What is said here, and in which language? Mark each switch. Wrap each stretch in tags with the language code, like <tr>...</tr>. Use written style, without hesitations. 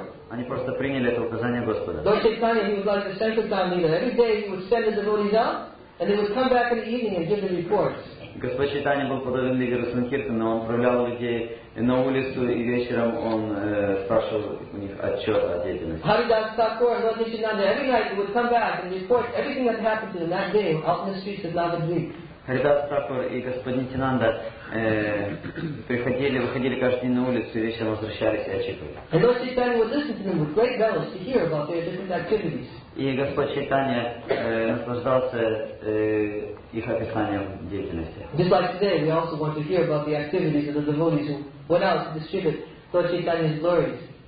<ru>Они просто приняли это указание Господа.</ru> <en>Lord Chaitanya, he was like the sankirtan leader. Every day he would send the devotees out, and they would come back in the evening and give the reports.</en> <ru>Господь Чайтанья был подобен лидеру Санкиртаны, но он отправлял людей на улицу, и вечером он спрашивал у них отчет о деятельности.</ru> <en>Haridasa Thakur and Lord Nityananda every night would come back and report everything that happened to them that day out in the streets of Navadvip.</en> <ru>Харидаса Такур и господин Нитянанда выходили каждый день на улицу и вечером возвращались и отчитывали. И господь Чайтанья наслаждался их описанием деятельности.</ru> <en>Just like today, we also want to hear about the activities of the devotees who went out to distribute Lord Chaitanya's glories.</en>